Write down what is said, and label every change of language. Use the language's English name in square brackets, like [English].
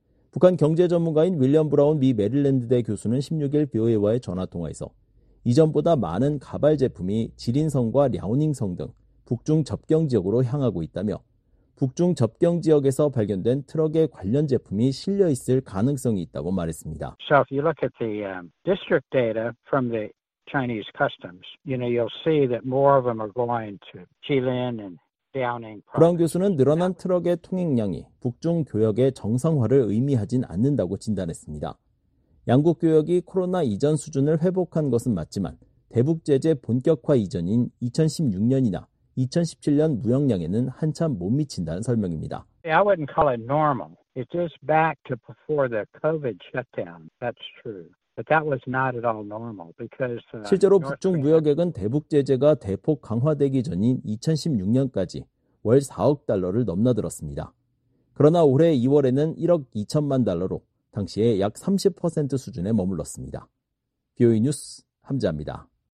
[Korean] 북한 경제 전문가인 윌리엄 브라운 미 메릴랜드대 교수는 16일 BOA와의 전화통화에서 이전보다 많은 가발 제품이 지린성과 랴오닝성 등 북중 접경지역으로 향하고 있다며 북중 접경지역에서 발견된 트럭에 관련 제품이 실려 있을 가능성이 있다고 말했습니다. [English] So if you look at the district data from the Chinese customs, you know, you'll see that more of them are going to Jilin and [Korean] 브라운 교수는 늘어난 트럭의 통행량이 북중 교역의 정상화를 의미하진 않는다고 진단했습니다. 양국 교역이 코로나 이전 수준을 회복한 것은 맞지만 대북 제재 본격화 이전인 2016년이나 2017년 무역량에는 한참 못 미친다는 설명입니다. [English] I wouldn't call it normal. It is back to before the COVID shutdown. That's true. But that was not at all normal because [Korean] 실제로 북중 무역액은 대북 제재가 대폭 강화되기 전인 2016년까지 월 4억 달러를 넘나들었습니다. 그러나 올해 2월에는 1억 2천만 달러로 당시에 약 30% 수준에 머물렀습니다. BOA 뉴스 함재합니다.